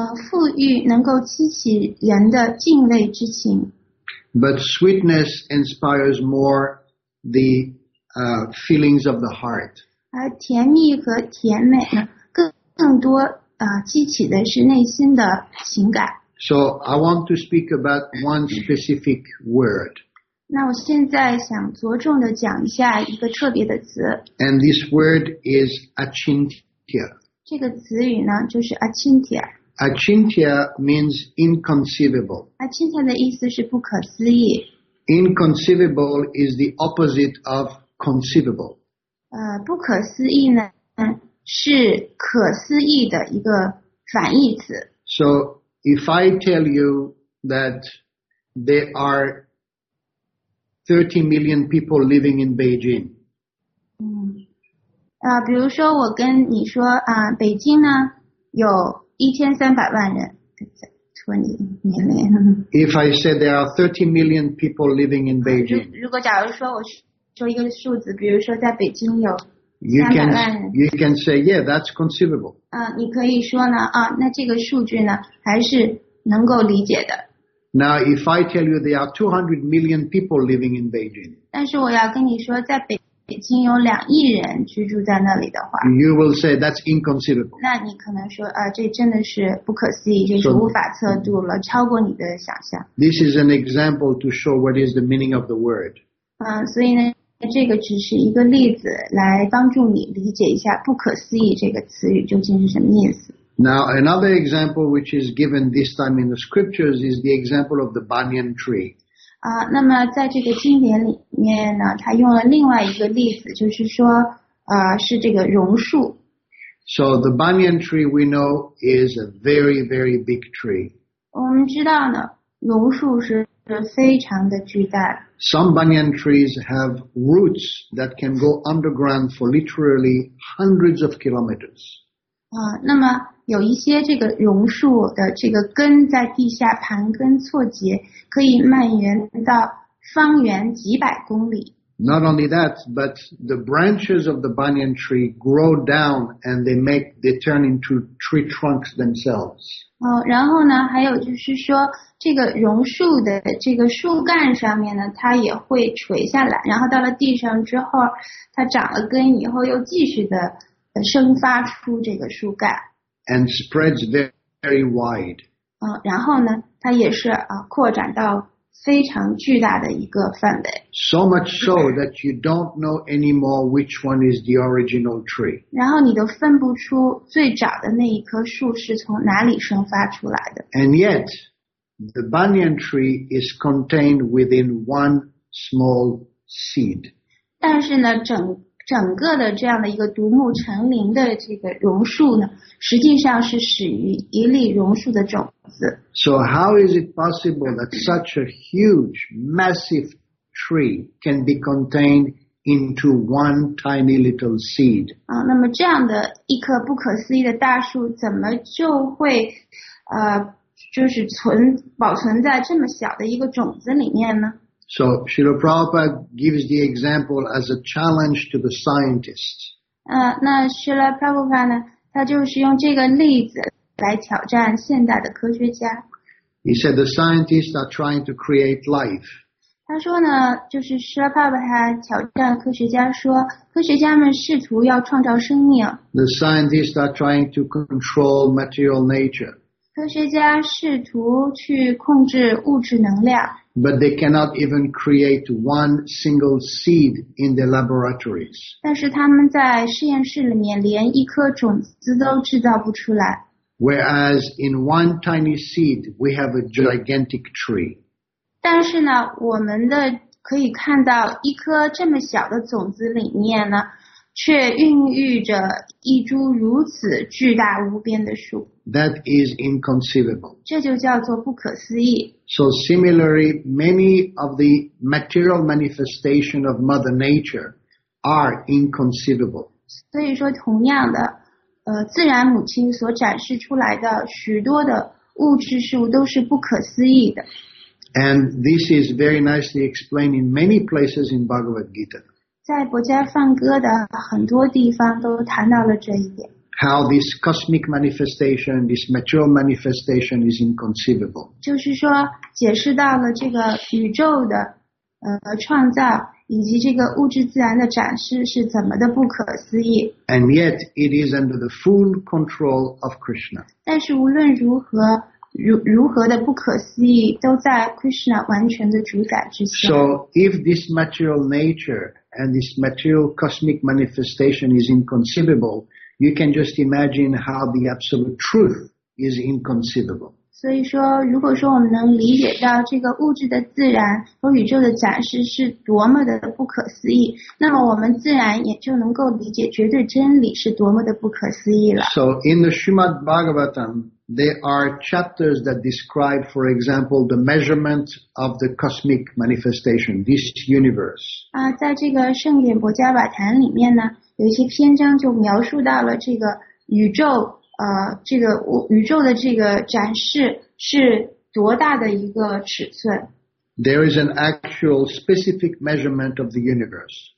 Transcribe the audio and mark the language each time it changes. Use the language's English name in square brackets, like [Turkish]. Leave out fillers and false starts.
[Chinese] 富裕能够激起人的敬畏之情。 [English] But sweetness inspires more the feelings of the heart. [Chinese] 而甜蜜和甜美呢，更多激起的是内心的情感。 [English] So I want to speak about one specific word. [Chinese] 那我现在想着重的讲一下一个特别的词。 [English] And this word is achintya. [Chinese] 这个词语呢，就是 achintya. [English] Achintya means inconceivable. [Chinese] Achintya 的意思是不可思议。 [English] Inconceivable is the opposite of conceivable. [Chinese] 不可思议呢是可思议的一个反义词。 [English] So if I tell you that there are 30 million people living in Beijing. [Chinese] 比如说我跟你说北京呢有1300万人。 [English] If I said there are 30 million people living in Beijing. [Chinese] 如果假如说我是说一个数字，比如说在北京有 300万人。 [English] You can say, yeah, that's conceivable. [Chinese] 你可以说呢，那这个数据呢，还是能够理解的。 [English] Now, if I tell you there are 200 million people living in Beijing, [Chinese] 但是我要跟你说在北京有两亿人居住在那里的话， [English] you will say that's inconceivable. [Chinese] 那你可能说，这真的是不可思议，这是无法测度了，超过你的想象。 [English] This is an example to show what is the meaning of the word. [Chinese] 所以呢，这个只是一个例子来帮助你理解一下不可思议这个词语究竟是什么意思。 [English] Now, another example which is given this time in the scriptures is the example of the banyan tree. [Chinese] 那么在这个经典里面呢，他用了另外一个例子，就是说，是这个榕树。 [English] So the banyan tree we know is a very, very big tree. [Chinese] 我们知道呢，榕树是非常的巨大。 [English] Some banyan trees have roots that can go underground for literally hundreds of kilometers. [Chinese] 那么有一些这个榕树的这个根在地下盘根错节，可以蔓延到方圆几百公里。 [English] Not only that, but the branches of the banyan tree grow down and they turn into tree trunks themselves. [Chinese] 然后呢，还有就是说，这个榕树的这个树干上面呢，它也会垂下来，然后到了地上之后，它长了根以后又继续的生发出这个树干。 [English] And spreads very, very wide. [Chinese] 然后呢，它也是扩展到非常巨大的一个范围。 [English] So much so that you don't know anymore which one is the original tree. [Chinese] 然后你都分不出最早的那一棵树是从哪里生发出来的。 [English] And yet, the banyan tree is contained within one small seed. [Chinese] 但是呢，整个的这样的一个独木成林的这个榕树呢，实际上是始于一粒榕树的种子。 [English] So how is it possible that such a huge, massive tree can be contained into one tiny little seed? [Chinese] 那么这样的一棵不可思议的大树，怎么就会，就是保存在这么小的一个种子里面呢？ [English] So, Srila Prabhupada gives the example as a challenge to the scientists. [Chinese] 那 Srila Prabhupada 呢，他就是用这个例子来挑战现代的科学家。 [English] He said the scientists are trying to create life. [Chinese] 他说呢，就是 Srila Prabhupada 挑战科学家说，科学家们试图要创造生命。 [English] The scientists are trying to control material nature. [Chinese] 科学家试图去控制物质能量。 [English] But they cannot even create one single seed in their laboratories. [Chinese] 但是他们在实验室里面连一颗种子都制造不出来。 [English] Whereas in one tiny seed, we have a gigantic tree. [Chinese] 但是呢，我们的可以看到一颗这么小的种子里面呢，却孕育着一株如此巨大无边的树。 [English] That is inconceivable. [Chinese] 这就叫做不可思议。 [English] So similarly, many of the material manifestation of Mother Nature are inconceivable. [Chinese] 所以说同样的，自然母亲所展示出来的许多的物质事物都是不可思议的。 [English] And this is very nicely explained in many places in Bhagavad Gita. [Chinese] 在博伽梵歌的很多地方都谈到了这一点。 [English] How this cosmic manifestation, this material manifestation is inconceivable. [Chinese] 就是说解释到了这个宇宙的创造以及这个物质自然的展示是怎么的不可思议。 [English] And yet it is under the full control of Krishna. [Chinese] 但是无论如何的不可思议都在 Krishna 完全的主宰之下。 [English] So if this material nature and this material cosmic manifestation is inconceivable,You can just imagine how the absolute truth is inconceivable. [Chinese] 所以说，如果说我们能理解到这个物质的自然和宇宙的展示是多么的不可思议，那么我们自然也就能够理解绝对真理是多么的不可思议了。 [English] So in the Srimad Bhagavatam, there are chapters that describe, for example, the measurement of the cosmic manifestation, this universe. [Chinese] 在这个圣典博伽瓦坛里面呢。有一些篇章就描述到了这个宇宙，这个宇宙的这个展示是多大的一个尺寸。 [English] There is an actual specific measurement of the universe.